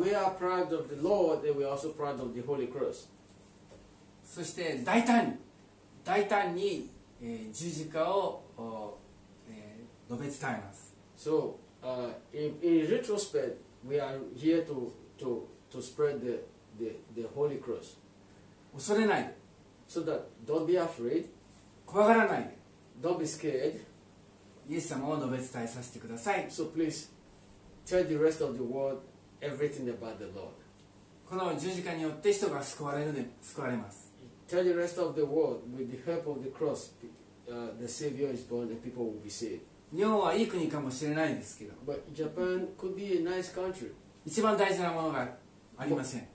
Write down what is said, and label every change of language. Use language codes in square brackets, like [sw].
[en] We are proud of the Lord, and we are also proud of the Holy Cross. [ja] そして大胆に大胆に、十字架を、述べ伝えます。 [en] So, in retrospect, we are here to spread the Holy Cross. [ja] 恐れないで。 [en] So that don't be afraid. [ja] 怖がらないで。 [en] Don't be scared. [ja] イエス様を述べ伝えさせてください。 [en] So please tell the rest of the world everything about the Lord. [ja] この十字架によって人が救われるで救われます。 [en] Tell the rest of the world with the help of the cross, the Savior is born and people will be saved. [ja] 日本はいい国かもしれないですけど。 [en] But Japan could be a nice country. [ja] 一番大事なものがありません。